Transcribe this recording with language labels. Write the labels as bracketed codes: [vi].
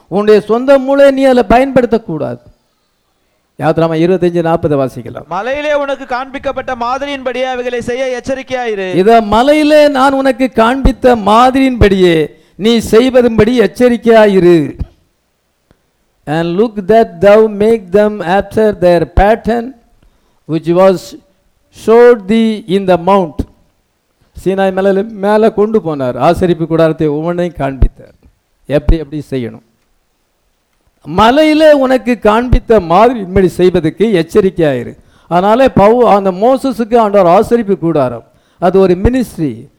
[ta] உன்னுடைய சொந்த மூளையை நீ அதில் பயன்படுத்தக்கூடாது. யாத்ராமா 25:40 வாசிக்கலாம். மலையிலே உனக்கு காண்பிக்கப்பட்ட மாதிரியின்படியே அவைகளை செய்ய எச்சரிக்கையாயிரு. இதை மலையிலே நான் உனக்கு காண்பித்த மாதிரியின்படியே நீ செய்வதும்படி எச்சரிக்கையாயிரு. [en] And look that thou make them after their pattern which was showed thee in the mount. [ta] Sinai மலையில் மேலே கொண்டு போனார். ஆசரிப்பு கூடாரத்தை ஒவ்வொன்றையும் காண்பித்தார். எப்படி எப்படி செய்யணும்? மலையிலே உனக்கு காண்பித்த மாதிரி இன்படி செய்வதற்கு எச்சரிக்கையாயிரு. அதனாலே பவு அந்த மோசஸுக்கு ஆண்டவர் ஆசரிப்பு கூடாரம். அது ஒரு மினிஸ்ட்ரி.